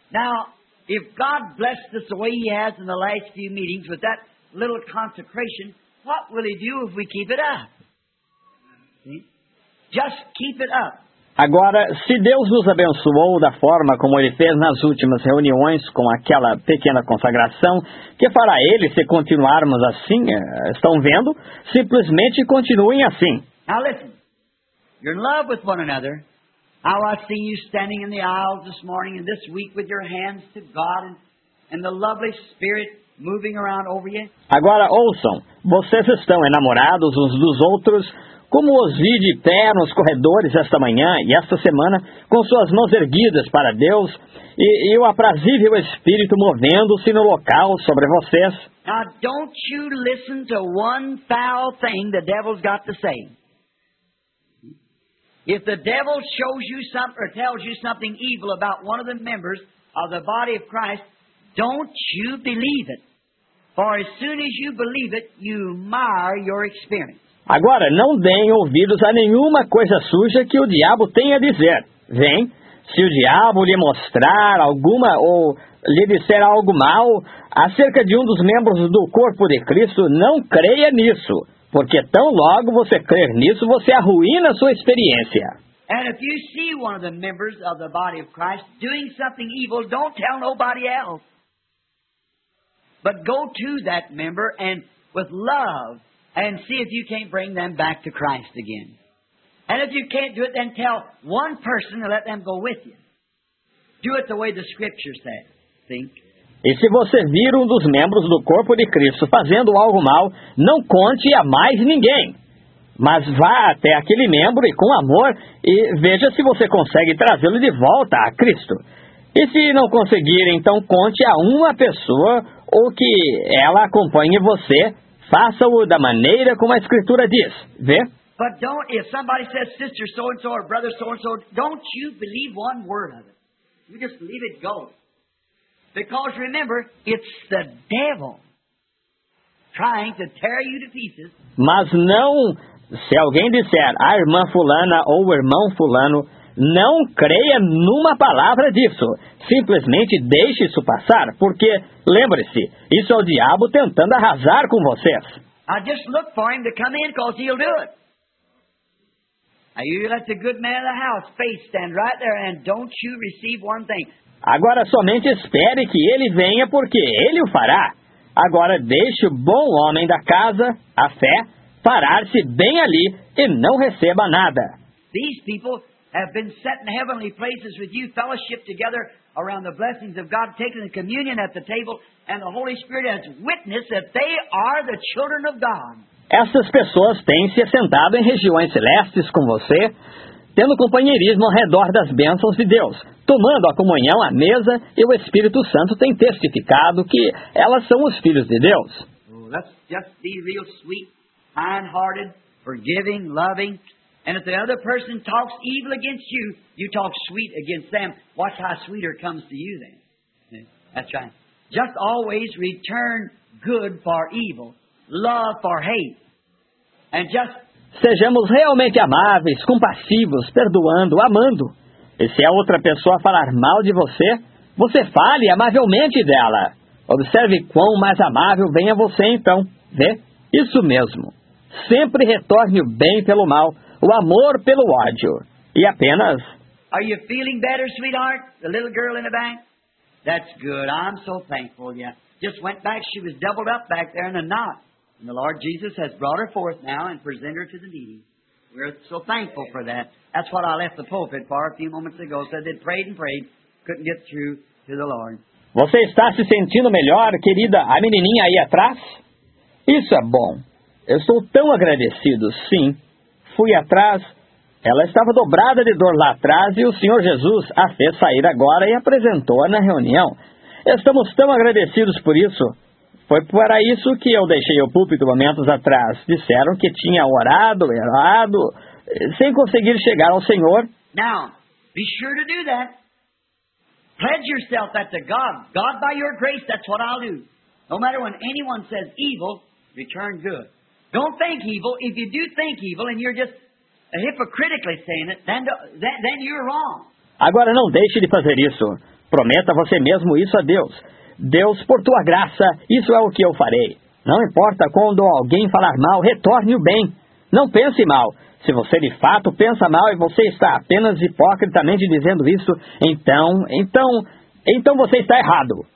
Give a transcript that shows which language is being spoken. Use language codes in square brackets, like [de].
[en] Now, if God blessed us the way He has in the last few meetings with that little consecration, what will he do if we keep it up? See? Just keep it up. [pt] Agora, se Deus nos abençoou da forma como ele fez nas últimas reuniões com aquela pequena consagração, que fará ele se continuarmos assim? Estão vendo? Simplesmente continuem assim. [en] Now listen. You're in love with one another. How I've seen you standing in the aisles this morning and this week with your hands to God and the lovely spirit moving around over you. [pt] Agora ouçam, vocês estão enamorados uns dos outros, como os vi de pé nos corredores esta manhã e esta semana, com suas mãos erguidas para Deus, e o aprazível Espírito movendo-se no local sobre vocês. [en] Now, don't you listen to one foul thing the devil's got to say. If the devil shows you something or tells you something evil about one of the members of the body of Christ, don't you believe it. For as soon as you believe it, you mar your experience. [pt] Agora, não deem ouvidos a nenhuma coisa suja que o diabo tenha a dizer. Vem, se o diabo lhe mostrar alguma ou lhe disser algo mal acerca de um dos membros do corpo de Cristo, não creia nisso, porque tão logo você crer nisso, você arruína a sua experiência. [en] And if you see one of the members of the body of Christ doing something evil, don't tell nobody else. But go to that member and with love and see if you can't bring them back to Christ again. And if you can't do it, then tell one person and let them go with you. Do it the way the Scripture says. Think. [pt] E se você vir um dos membros do corpo de Cristo fazendo algo mal, não conte a mais ninguém. Mas vá até aquele membro e com amor e veja se você consegue trazê-lo de volta a Cristo. E se não conseguir, então conte a uma pessoa ou que ela acompanhe você. Faça-o da maneira como a Escritura diz. Vê? [en] But don't, if somebody says sister so-and-so or brother so-and-so, don't you believe one word of it. You just leave it go. Because remember, it's the devil trying to tear you to pieces. [pt] Mas não, se alguém disser, a irmã fulana ou o irmão fulano, não creia numa palavra disso. Simplesmente deixe isso passar, porque, lembre-se, isso é o diabo tentando arrasar com vocês. [en] I just look for him to come in, because he'll do it. You let the good man of the house face stand right there and don't you receive one thing. [pt] Agora somente espere que ele venha, porque ele o fará. Agora deixe o bom homem da casa, a fé, parar-se bem ali e não receba nada. [en] These people have been set in heavenly places with you, fellowship together around the blessings of God, taking the communion at the table, and the Holy Spirit has witnessed that they are the children of God. [pt] Essas pessoas têm se assentado em regiões celestes com você, tendo companheirismo ao redor das bênçãos de Deus, tomando a comunhão à mesa, e o Espírito Santo tem testificado que elas são os filhos de Deus. [en] Let's just be real sweet, kind-hearted, forgiving, loving. And if the other person talks evil against you, you talk sweet against them. Watch how sweeter comes to you then. That's right. Just always return good for evil. Love for hate. And just... [pt] Sejamos realmente amáveis, compassivos, perdoando, amando. E se a outra pessoa falar mal de você, você fale amavelmente dela. Observe quão mais amável vem a você então. Vê? Isso mesmo. Sempre retorne o bem pelo mal, o amor pelo ódio. E apenas... [en] Are you feeling better, sweetheart? The little girl in the back? That's good. I'm so thankful, yeah. Just went back. She was doubled up back there in a knot. And the Lord Jesus has brought her forth now and presented her to the meeting. We're so thankful for that. That's what I left the pulpit for a few moments ago. Said they prayed and prayed, couldn't get through to the Lord. [pt] Você está se sentindo melhor, querida? A menininha aí atrás? Isso é bom. Eu estou tão agradecido, sim. Fui atrás. Ela estava dobrada de dor lá atrás e o Senhor Jesus a fez sair agora e apresentou-a na reunião. Estamos tão agradecidos por isso. Foi para isso que eu deixei o púlpito momentos atrás. Disseram que tinha orado, errado, sem conseguir chegar ao Senhor. [en] Now, be sure to do that. Pledge yourself that to God. God, by your grace, that's what I'll do. No matter when anyone says evil, return good. Don't think evil. If you do think evil and you're just hypocritically saying it, then you're wrong. [pt] Agora não deixe de fazer isso. Prometa você mesmo isso a Deus. Deus, por tua graça, isso é o que eu farei. Não importa quando alguém falar mal, retorne o bem. Não pense mal. Se você de fato pensa mal e você está apenas hipocritamente dizendo isso, então você está errado.